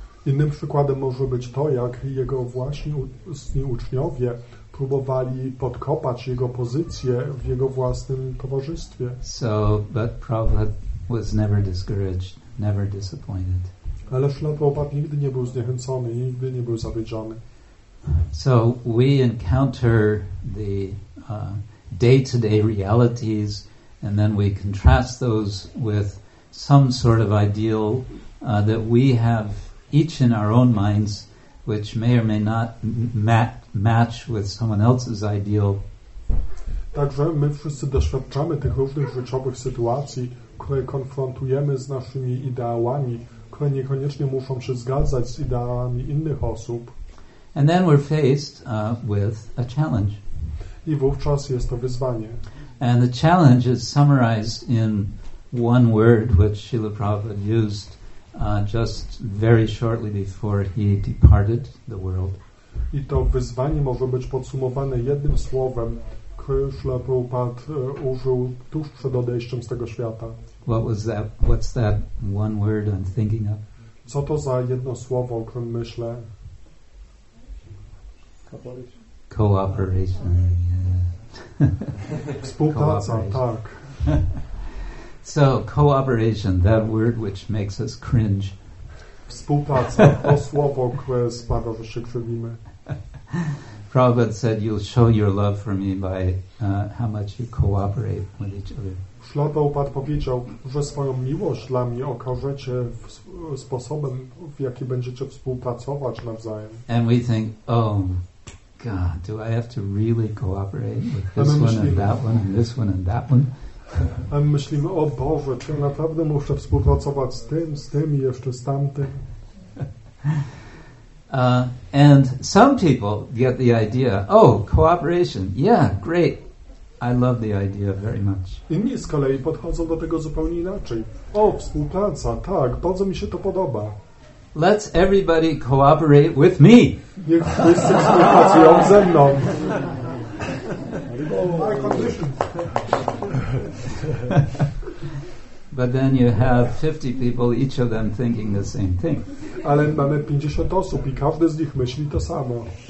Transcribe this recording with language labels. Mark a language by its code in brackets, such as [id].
[pl] Innym przykładem może być to, jak jego własni uczniowie próbowali podkopać jego pozycję w jego własnym towarzystwie. [en] So, but Prabhupada was never discouraged, never disappointed. [pl] Ale Srila Prabhupada nigdy nie był zniechęcony, nigdy nie był zawiedziony. [en] So we encounter the day-to-day realities, and then we contrast those with some sort of ideal that we have each in our own minds, which may or may not match with someone else's ideal. [pl] Także my wszyscy doświadczamy tych różnych życiowych sytuacji, które konfrontujemy z naszymi ideałami, które niekoniecznie muszą się zgadzać z ideałami innych osób. [en] And then we're faced with a challenge. [pl] I wówczas jest to wyzwanie. [en] And the challenge is summarized in one word which Srila Prabhupada used just very shortly before he departed the world. [pl] I to wyzwanie może być podsumowane jednym słowem, które Srila Prabhupada użył tuż przed odejściem z tego świata. [en] What was that? What's that one word I'm thinking of? [pl] Co to za jedno słowo, o którym myślę? [en] Cooperation. [pl] Współpraca, tak. [en] So, cooperation, that word which makes us cringe. [pl] Współpraca, to słowo, które sprawia, że się krzywimy. [en] Prabhupada said, you'll show your love for me by how much you cooperate with each other. [pl] Srila Prabhupada powiedział, że swoją miłość dla mnie okażecie sposobem, w jaki będziecie współpracować nawzajem. [en] And we think, oh, God, do I have to really cooperate with this one and that one and this one and that one? [pl] A my myślimy, o Boże, czy ja naprawdę muszę współpracować z tym i jeszcze z tamtym? [en] And some people get the idea, oh, cooperation, yeah, great. I love the idea very much. [pl] Inni z kolei podchodzą do tego zupełnie inaczej. O, współpraca, tak, bardzo mi się to podoba. [en] Let's everybody cooperate with me. [pl] Niech wszyscy współpracują ze mną. [en] But then you have 50 people, each of them thinking the same thing. [pl] Ale mamy 50 osób i każdy z nich myśli to samo.